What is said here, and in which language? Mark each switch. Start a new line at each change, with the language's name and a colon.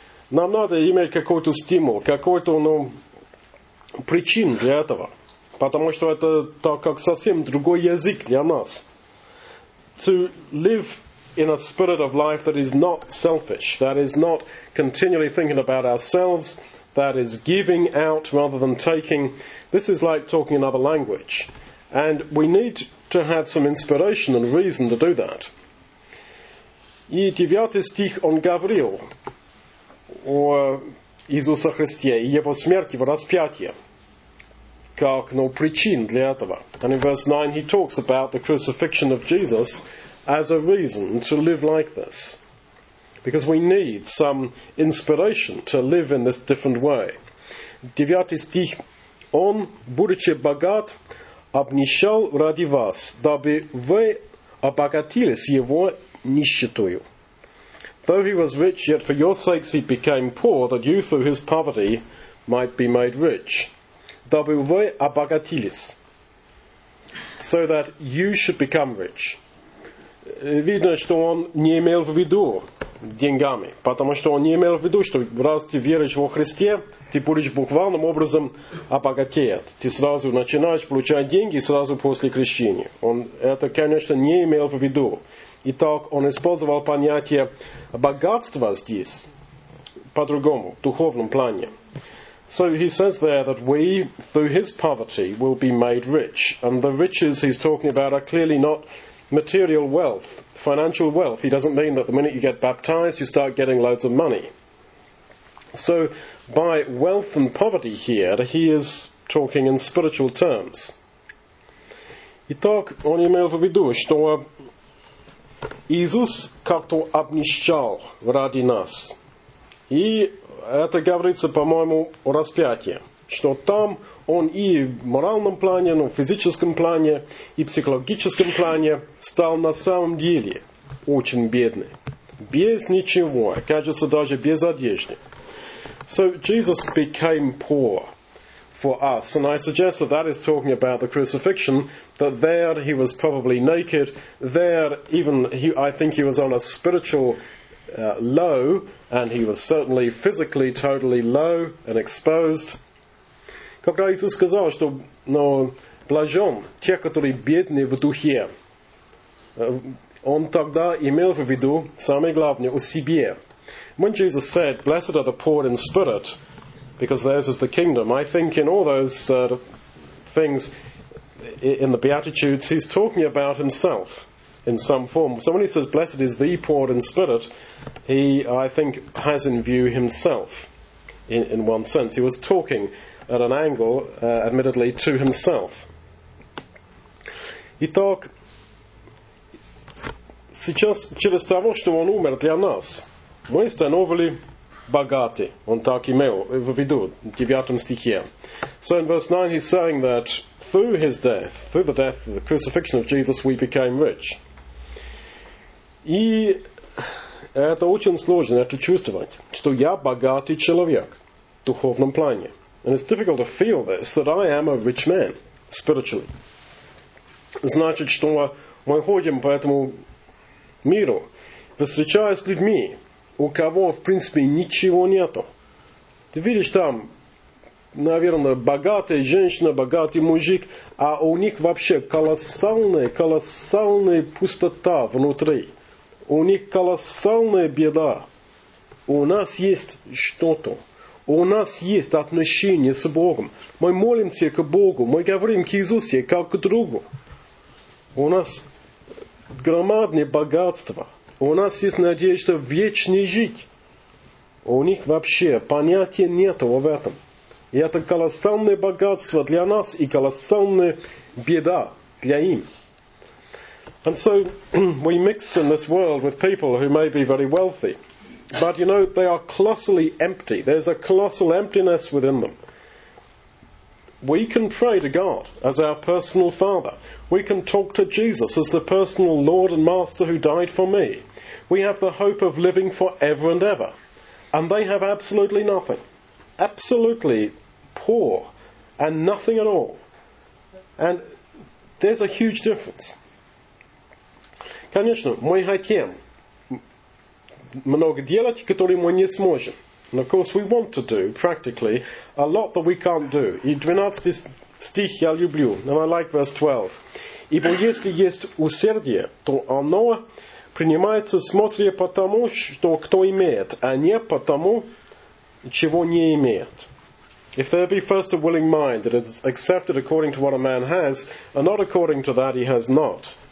Russian: Нам надо иметь какой-то стимул, какой-то, ну, причин для этого. Потому что это так как совсем другой язык для нас.
English: To live in a spirit of life that is not selfish, that is not continually thinking about ourselves, that is giving out rather than taking. This is like talking another language. And we need to have some inspiration and reason to do that.
Russian: И девятый стих он говорил о Иисусе Христе и его смерти в распятии. Как, ну, причин для этого.
English: And in verse 9 he talks about the crucifixion of Jesus as a reason to live like this. Because we need some inspiration to live in this different way.
Russian: Девятый стих. Он, будучи богат, обнищал ради вас, дабы вы обогатились его нищетою.
English: Though he was rich, yet for your sakes he became poor, that you through his poverty might be made rich.
Russian: Дабы вы обогатились.
English: So that you should become rich.
Russian: Видно, что он не имел в виду деньгами. Потому что он не имел в виду, что раз ты веришь во Христе, ты будешь буквальным образом обогатеет. Ты сразу начинаешь получать деньги сразу после крещения. Он это, конечно, не имел в виду. Итак, он использовал понятие богатства здесь по-другому, в духовном плане.
English: So he says there that we, through his poverty, will be made rich. And the riches he's talking about are clearly not material wealth, financial wealth. He doesn't mean that the minute you get baptized, you start getting loads of money. So by wealth and poverty here, he is talking in spiritual terms.
Russian: Итак, он имел в виду, что Иисус как-то обнищал ради нас. И это говорится, по-моему, о распятии. Что там он и в моральном плане, но в физическом плане, и в психологическом плане стал на самом деле очень бедный. Без ничего, кажется, даже без одежды.
English: So Jesus became poor for us. And I suggest that that is talking about the crucifixion, that there he was probably naked. There, even he, I think he was on a spiritual low, and he was certainly physically totally low and exposed.
Russian: Когда Иисус сказал, что блажен те, которые бедны в духе, он тогда имел в виду, самое главное, о себе.
English: When Jesus said, blessed are the poor in spirit, because theirs is the kingdom, I think in all those things, in the Beatitudes, he's talking about himself in some form. So when he says, blessed is the poor in spirit, he, I think, has in view himself, in one sense. He was talking at an angle, admittedly, to himself.
Russian: Итак, сейчас, через того, что он умер для нас, мы становились богаты. Он так имел в виду, в девятом стихе.
English: So in verse 9 he's saying that through his death, through the death, the crucifixion of Jesus, we became rich.
Russian: И это очень сложно, это чувствовать, что я богатый человек в духовном плане.
English: And it's difficult to feel this, that I am a rich man, spiritually.
Russian: Значит, что мы ходим по этому миру, встречаясь с людьми, у кого, в принципе, ничего нету. Ты видишь там, наверное, богатая женщина, богатый мужик, а у них вообще колоссальная, колоссальная пустота внутри. У них колоссальная беда. У нас есть что-то. У нас есть отношение с Богом. Мы молимся к Богу, мы говорим к Иисусе, как к другу. У нас громадное богатство. У нас есть надежда вечно жить. У них вообще понятия нет в этом. И это колоссальное богатство для нас и колоссальная беда для им.
English: And so we mix in this world with people who may be very wealthy, but you know, they are colossally empty. There's a colossal emptiness within them. We can pray to God as our personal Father. We can talk to Jesus as the personal Lord and Master who died for me. We have the hope of living forever and ever. And they have absolutely nothing. Absolutely poor and nothing at all. And there's a huge difference.
Russian: Конечно, мы хотим много делать, которые мы не сможем.
English: And of course we want to do, practically, a lot that we can't do.
Russian: И 12 стих я люблю.
English: And I like verse 12.
Russian: Ибо если есть усердие, то оно принимается, смотря по тому, что кто имеет, а не по тому, чего не имеет.
English: If there be first a willing mind, that is accepted according to what a man has, and not according to that he has not.